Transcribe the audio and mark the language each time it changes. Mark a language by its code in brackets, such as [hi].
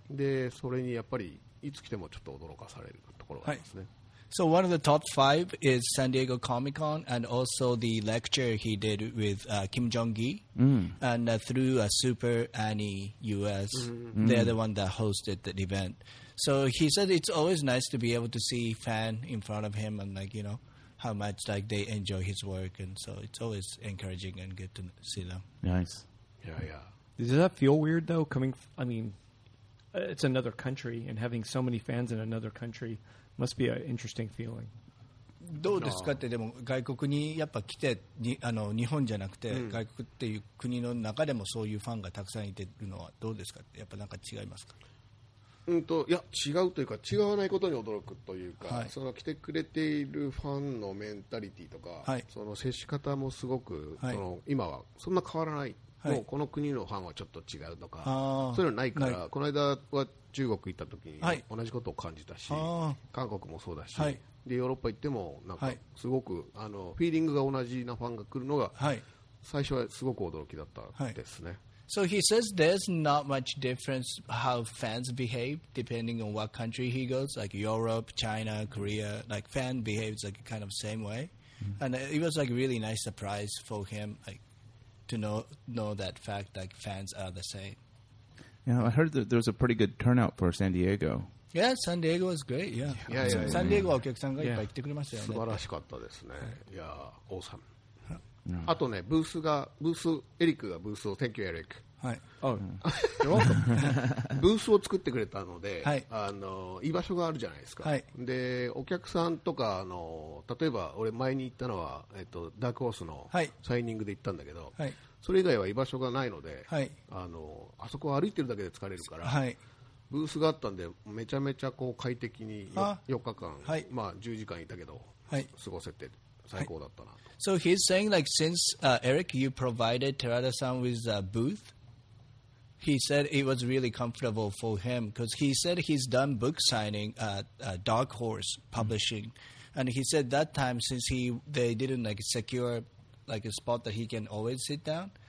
[ja] でそれにやっぱりいつ来てもちょっと驚かされるところがありますね、はい、 [en] So one of the top five is San Diego Comic Con and also the lecture he did with Kim Jong-gi and through Super Annie US they're the one that hosted the event so he said it's always nice to be able to see fan in front of him and like you know how much like they enjoy his work and so it's always encouraging and good to see them nice Yeah. Does that feel weird, though, coming... I mean, it's another country, and having so many fans in another country must be an interesting feeling. [ja] どうですかって、でも外国にやっぱ来て、にあの日本じゃなくて、外国っていう国の中でもそういうファンがたくさんいてるのはどうですかって、やっぱなんか違いますか？いや、違うというか、違わないことに驚くというか、はい、その来てくれているファンのメンタリティとか、はい、その接し方もすごく、はい、その今はそんな変わらない、はい、もうこの国のファンはちょっと違うとか、そういうのないから、はい、この間は中国行った時に同じことを感じたし、はい、韓国もそうだし、はい、でヨーロッパ行ってもなんかすごく、はい、あのフィーリングが同じなファンが来るのが、はい、最初はすごく驚きだったですね、はい。 [en] So he says there's not much difference how fans behave depending on what country he goes, like Europe, China, Korea, like fan behaves like kind of same way. Mm-hmm. And it was like really nice surprise for him like to know that fact, like fans are the same. Yeah, I heard that there was a pretty good turnout for San Diego. Yeah, San Diego was great, yeah. Yeah. [ja] San Diego はお客さんがいっぱい来てくれましたよね。素晴らしかったですね。いや、awesome。あとね、ブースが、ブース、エリックがブースを、 [en] Thank you, Eric。 [ja] はい。ブースを作ってくれたので、はい、あの、居場所があるじゃないですか。はい、で、お客さんとか、あの、例えば、俺前に行ったのは、ダークホースのサイニングで行ったんだけど、はい、それ以外は居場所がないので、はい、あの、あそこを歩いてるだけで疲れるから、はい、ブースがあったんで、めちゃめちゃこう快適に 4日間、はい、まあ、10時間いたけど、はい、過ごせて。 [en] So he's saying like since Eric, you provided Terada-san with a booth, he said it was really comfortable for him because he said he's done book signing at Dark Horse Publishing. Mm-hmm. And he said that time since they didn't like secure like a spot that he can always sit down.